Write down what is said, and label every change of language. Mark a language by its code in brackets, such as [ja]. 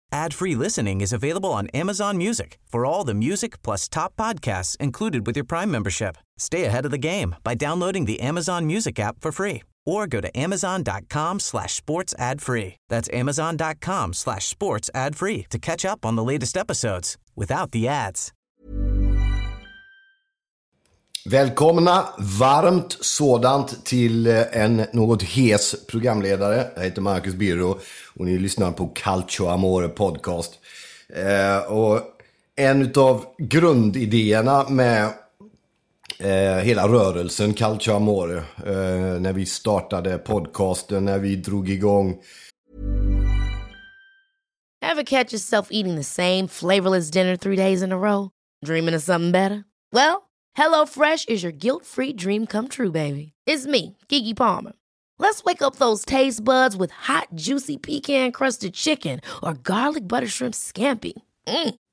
[en] Ad-free listening is available on Amazon Music for all the music plus top podcasts included with your Prime membership. Stay ahead of the game by downloading the Amazon Music app for free or go to amazon.com/sportsadfree. That's amazon.com/sportsadfree to catch up on the latest episodes without the ads. [sv] Välkomna, varmt sådant till en något hes programledare. Jag heter Marcus Birro och ni lyssnar på Calcio Amore podcast. Och en av grundidéerna med hela rörelsen Calcio Amore, när vi startade podcasten, när vi drog igång. [en] Ever catch yourself eating the same flavorless dinner 3 days in a row? Dreaming of something better? Well, HelloFresh is your guilt-free dream come true, baby. It's me, Keke Palmer. Let's wake up those taste buds with hot, juicy pecan-crusted chicken or garlic butter shrimp scampi. Mm.